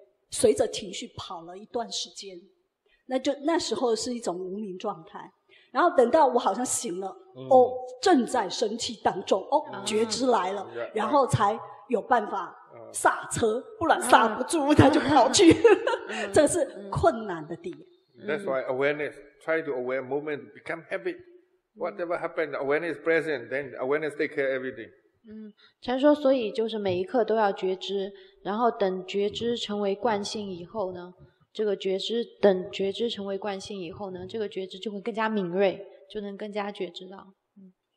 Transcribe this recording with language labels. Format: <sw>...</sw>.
<zh>随着情绪跑了一段时间，那时候是一种无名状态，然后等到我好像醒了，嗯，哦，正在生气当中，哦，嗯，觉知来了，嗯，然后才有办法刹车，嗯，不然刹不住，嗯，他就跑去，嗯，这是困难的点。</zh> <en>That's why awareness, try to aware moment, become habit. Whatever happened, awareness present, then awareness take care of everything.</en> <zh>嗯，禅说，所以就是每一刻都要觉知，然后等觉知成为惯性以后呢，这个觉知就会更加敏锐，就能更加觉知到。嗯。</zh>